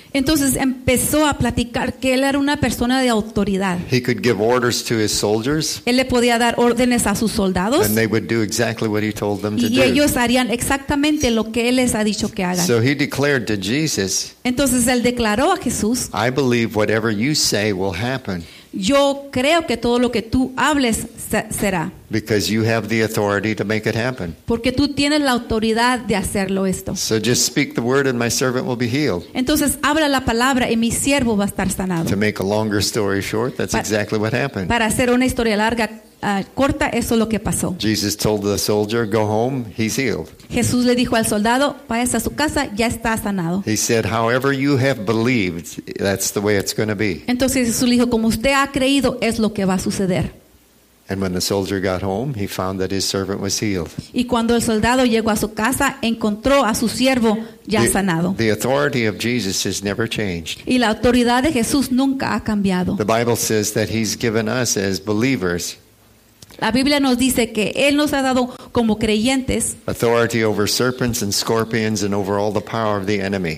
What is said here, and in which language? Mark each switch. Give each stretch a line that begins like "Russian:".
Spanish: Entonces empezó a platicar que él era una persona de autoridad.
English: He could give orders to his soldiers.
Spanish: Él le podía dar órdenes a sus soldados.
English: And they would do exactly what he told them to do.
Spanish: Y ellos harían exactamente lo que él les ha dicho que hagan.
English: So he declared to Jesus.
Spanish: Entonces él declaró a Jesús.
English: I believe whatever you say will happen.
Spanish: Yo creo que todo lo que tú hables será.
English: Because you have the authority to make it happen.
Spanish: Porque tú tienes la autoridad de hacerlo esto.
English: So just speak the word and my servant will be healed.
Spanish: Entonces habla la palabra y mi siervo va a estar sanado.
English: To make a longer story short, that's exactly what happened.
Spanish: Para hacer una historia larga corta, eso es lo que pasó.
English: Jesus told the soldier, go home, he's healed.
Spanish: Jesús le dijo al soldado, vayas a su casa, ya está sanado.
English: He said, however you have believed, that's the way it's going to be.
Spanish: Entonces Jesús le dijo, como usted ha creído, es lo que va a suceder.
English: And when the soldier got home, he found that his servant was healed.
Spanish: Y cuando el soldado llegó a su casa, encontró a su siervo ya sanado.
English: The authority of Jesus has never changed.
Spanish: Y la autoridad de Jesús nunca ha cambiado.
English: The Bible says that he's given us as believers.
Spanish: La Biblia nos dice que él nos ha dado como creyentes
English: authority over serpents and scorpions and over all the power of the enemy.